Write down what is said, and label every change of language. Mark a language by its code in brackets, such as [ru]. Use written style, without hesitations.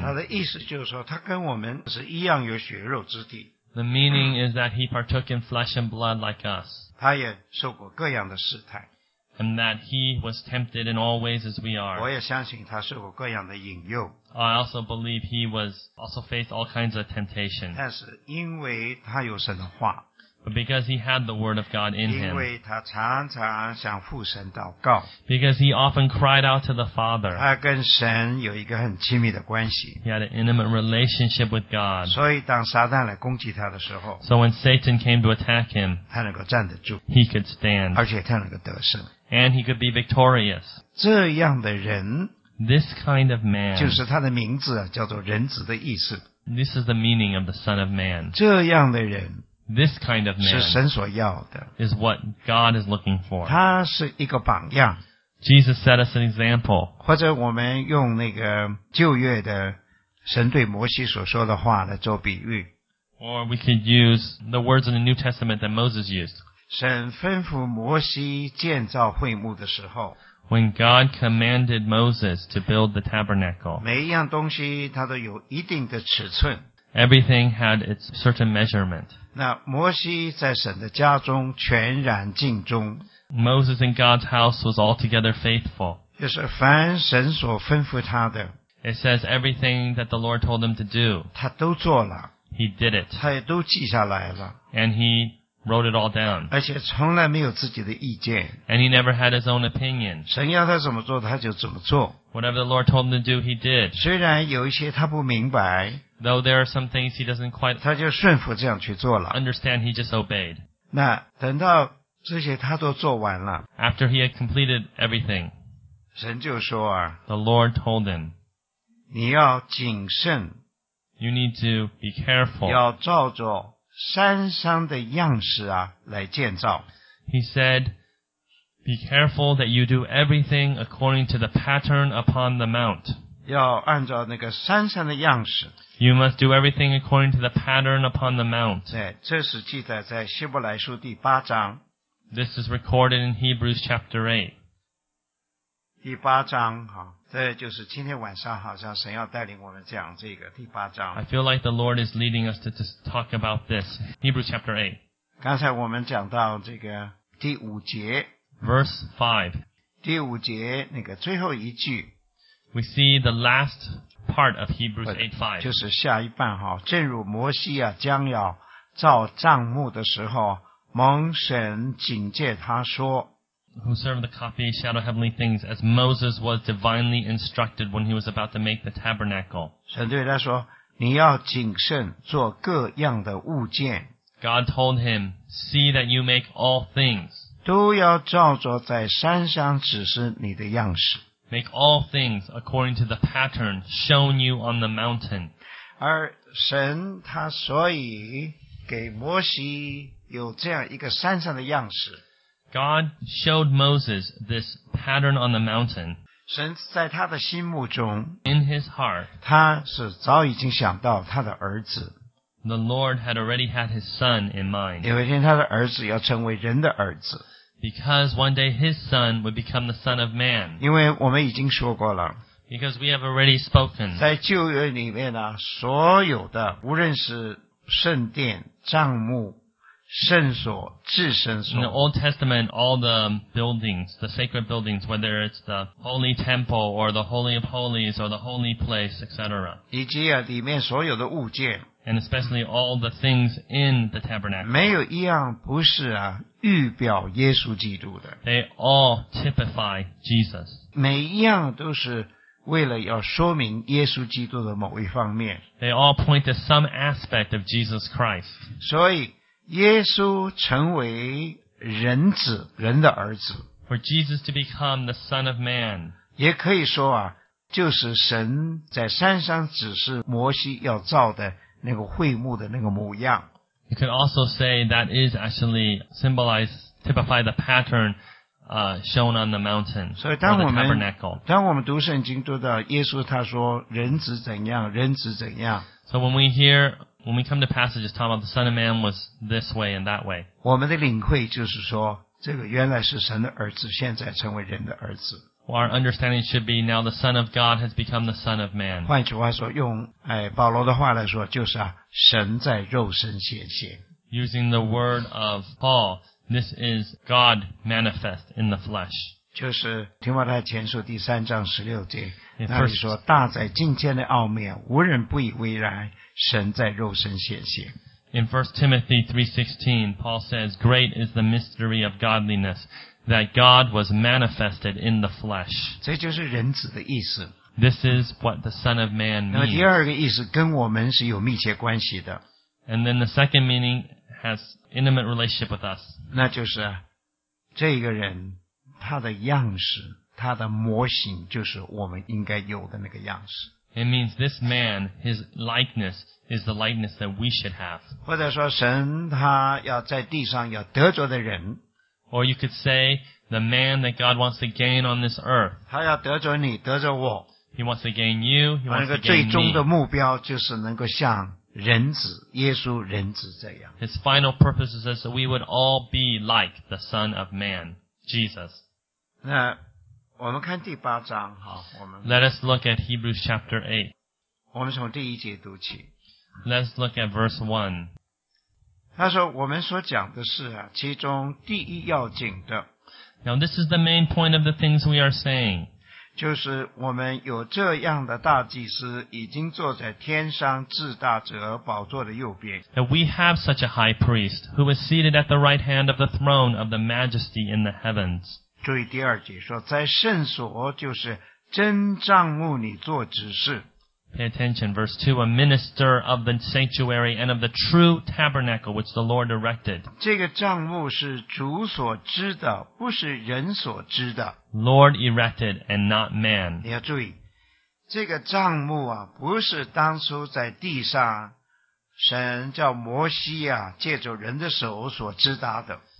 [zh] 他的意思就是说他跟我们是一样有血肉之地。 [en] The meaning is that he partook in flesh and blood like us. [zh] 他也受过各样的试探。 [en] And that he was tempted in all ways as we are. [zh] 我也相信他受过各样的引诱。 [en] I also believe he was also faced all kinds of temptation. [zh] 但是因为他有神的话。 [en] But because he had the word of God in him. [zh] 因为他常常向父神祷告。 [en] Because he often cried out to the Father. [zh] 他跟神有一个很亲密的关系。 [en] He had an intimate relationship with God. [zh] 所以当撒旦来攻击他的时候。 [en] So when Satan came to attack him. [zh] 他能够站得住。 [en] He could stand. [zh] 而且他能够得胜。 [en] And he could be victorious. [zh] 这样的人。 [en] This kind of man. [zh] 就是他的名字叫做人子的意思。 [en] This is the meaning of the Son of Man. [zh] 这样的人。 [en] This kind of man [zh] 是神所要的 [en] is what God is looking for. [zh] 他是一个榜样 [en] Jesus set us an example. [zh] 或者我们用那个旧约的神对摩西所说的话来做比喻 [en] Or we could use the words in the New Testament that Moses used. [zh] 神吩咐摩西建造会幕的时候 [en] When God commanded Moses to build the tabernacle. [zh] 每一样东西它都有一定的尺寸 [en] Everything had its certain measurement. [zh] 那摩西在神的家中全然尽忠。 [en] Moses in God's house was altogether faithful. [zh] 就是凡神所吩咐他的。 [en] It says everything that the Lord told him to do. [zh] 他都做了。 [en] He did it. [zh] 他也都记下来了。 [en] And he wrote it all down. [zh] 而且从来没有自己的意见。 [en] And he never had his own opinion. [zh] 神要他怎么做他就怎么做。 [en] Whatever the Lord told him to do, he did. [zh] 虽然有一些他不明白。 [en] Though there are some things he doesn't quite [zh] 他就顺服这样去做了 [en] understand, he just obeyed. [zh] 那等到这些他都做完了 [en] After he had completed everything, [zh] 神就说啊 [en] The Lord told him, [zh] 你要谨慎 [en] You need to be careful. [zh] 要照着山上的样式啊来建造 [en] He said, be careful that you do everything according to the pattern upon the mount. [zh] 要按照那个山上的样式 [en] You must do everything according to the pattern upon the mount. [zh] 对，这是记载在希伯来书第八章。 [en] This is recorded in Hebrews chapter 8. [zh] 第八章，这就是今天晚上好像神要带领我们讲这个第八章。 [en] I feel like the Lord is leading us to talk about this. Hebrews chapter 8. [zh] 刚才我们讲到这个第五节。 [en] Verse 5. [zh] 第五节那个最后一句。 [en] We see the last part of Hebrews 8:5. [zh] 就是下一半齁正如摩西啊将要造帐幕的时候蒙神警戒他说 [en] Who served the copy shadow heavenly things as Moses was divinely instructed when he was about to make the tabernacle. [zh] 神对他说你要谨慎做各样的物件。 [en] God told him, see that you make all things. [zh] 都要照着在山上指示你的样式。 [en] Make all things according to the pattern shown you on the mountain. [zh] 而神他所以给摩西有这样一个山上的样式。 [en] God showed Moses this pattern on the mountain. [zh] 神在他的心目中 [en] In his heart, [zh] 他是早已经想到他的儿子。 [en] The Lord had already had his son in mind. [zh] 有一天他的儿子要成为人的儿子。 [en] Because one day his son would become the son of man. [zh] 因为我们已经说过了。 [en] Because we have already spoken. [zh] 在旧约里面呢，所有的无论是圣殿、帐幕、圣所、至圣所。 [en] In the Old Testament, all the buildings, the sacred buildings, whether it's the holy temple or the holy of holies or the holy place, etc. [zh] 以及啊，里面所有的物件。 [en] And especially all the things in the tabernacle. [zh] 没有一样不是啊，预表耶稣基督的。 [en] They all typify Jesus. [zh] 每一样都是为了要说明耶稣基督的某一方面。 [en] They all point to some aspect of Jesus Christ. [zh] 所以耶稣成为人子，人的儿子。 [en] For Jesus to become the Son of Man. [zh] 也可以说啊，就是神在山上指示摩西要造的那个会幕的那个模样。 [en] You could also say that is actually symbolized, typify the pattern, shown on the mountain. [zh] 所以当我们 [en] or the tabernacle. [zh] 当我们读圣经读到耶稣他说人子怎样人子怎样。 [en] So when we hear, when we come to passages talking about the Son of Man was this way and that way. [zh] 我们的领会就是说这个原来是神的儿子现在成为人的儿子。 [en] Well, our understanding should be now the Son of God has become the Son of Man. [zh] 换句话说，用保罗的话来说，就是神在肉身显现。 [en] Using the word of Paul, this is God manifest in the flesh. [zh] 就是提摩太前书第三章十六节，那里说大在敬虔的奥妙，无人不以为然，神在肉身显现。 [en] In 1 Timothy 3:16, Paul says, Great is the mystery of godliness, that God was manifested in the flesh. [zh] 这就是人子的意思。 [en] This is what the Son of Man means. [zh] 那第二个意思跟我们是有密切关系的。 [en] And then the second meaning has intimate relationship with us. [zh] 那就是这个人他的样式他的模型就是我们应该有的那个样式。 [en] It means this man, his likeness, is the likeness that we should have. [zh] 或者说神他要在地上要得着的人。 [en] Or you could say, the man that God wants to gain on this earth. [zh] 他要得着你，得着我。 [en] He wants to gain you, he wants to gain me. [zh] 最终的目标就是能够像人子，耶稣人子这样。 [en] His final purpose is that we would all be like the Son of Man, Jesus. [zh] 那我们看第八章好我们 [en] Let us look at Hebrews chapter 8. [zh] 我们从第一节读起。 [en] Let's look at verse 1. [zh] 他说我们所讲的是其中第一要紧的。 [en] Now this is the main point of the things we are saying. [zh] 就是我们有这样的大祭司已经坐在天上至大者宝座的右边。 [en] That we have such a high priest who is seated at the right hand of the throne of the majesty in the heavens. [zh] 注意第二节说在圣所就是真帐幕里做执事。 [en] Pay attention, verse 2, a minister of the sanctuary and of the true tabernacle which the Lord erected. [zh] 这个帐幕是主所知的不是人所知的。 [en] Lord erected and not man. [zh] 你要注意这个帐幕啊不是当初在地上神叫摩西啊借着人的手所知达的。